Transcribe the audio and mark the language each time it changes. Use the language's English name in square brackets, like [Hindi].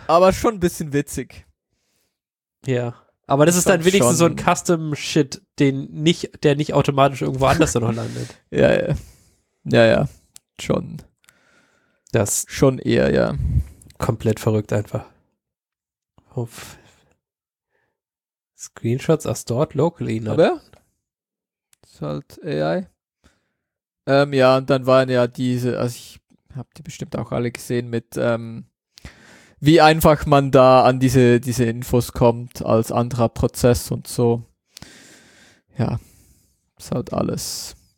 [German] Aber schon ein bisschen witzig. Ja. Aber das ist dann wenigstens schon. So ein Custom-Shit, der nicht automatisch irgendwo anders dann noch landet. Ja, ja. Ja, ja. Schon. Das schon eher, ja. Komplett verrückt einfach. [English] Auf Screenshots are stored locally. Not. [German] Aber ist halt AI. Ja, und dann waren ja diese, also ich habe die bestimmt auch alle gesehen mit, wie einfach man da an diese Infos kommt als anderer Prozess und so. Ja, ist halt alles.